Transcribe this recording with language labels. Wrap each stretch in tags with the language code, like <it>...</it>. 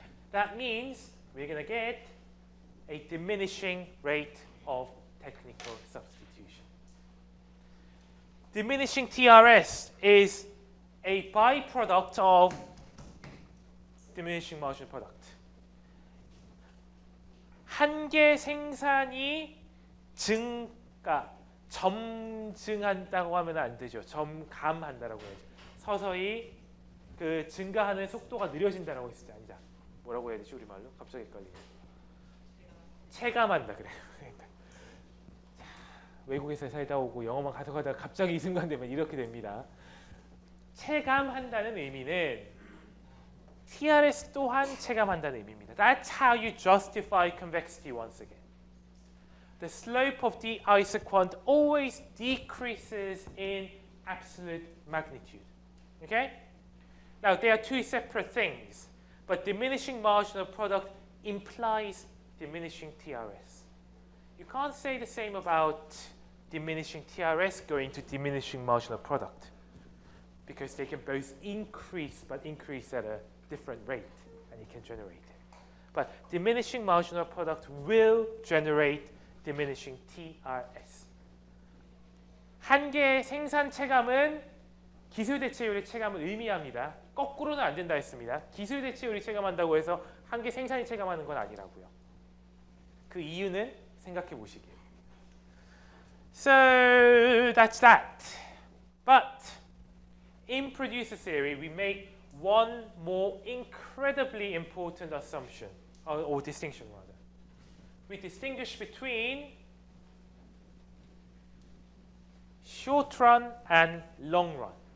<en>That means we're going to get a diminishing rate of technical substitution. Diminishing TRS is a byproduct of diminishing marginal product.</en> <ko>한계 생산이 증가, 점증한다고 하면 안 되죠. 점감한다라고 해야죠. 서서히 그 증가하는 속도가 느려진다라고 했을 때 아니다. 뭐라고 해야 되지 우리말로? 갑자기 헷갈리네. 체감한다 그래요. 외국에서 살다 오고 영어만 가져가다가 갑자기 이 순간 되면 이렇게 됩니다. 체감한다는 의미는 TRS 또한 체감한다는 의미입니다.</ko> <en>That's how you justify convexity once again. The slope of the isoquant always decreases in absolute magnitude. Okay? Now, they are two separate things, but diminishing marginal product implies diminishing TRS. You can't say the same about diminishing TRS going to diminishing marginal product. because they can both increase, but increase at a different rate, and you can generate it. But diminishing marginal product will generate diminishing TRS.</en> <ko>한계의 생산 체감은 기술 대체율의 체감을 의미합니다. 거꾸로는 안 된다 했습니다. 기술 대체율이 체감한다고 해서 한계 생산이 체감하는 건 아니라고요. 그 이유는 생각해 보시게요.</ko> <en>So that's that. But in producer theory, we make one more incredibly important assumption, or distinction rather. We distinguish between short run and long run.</en>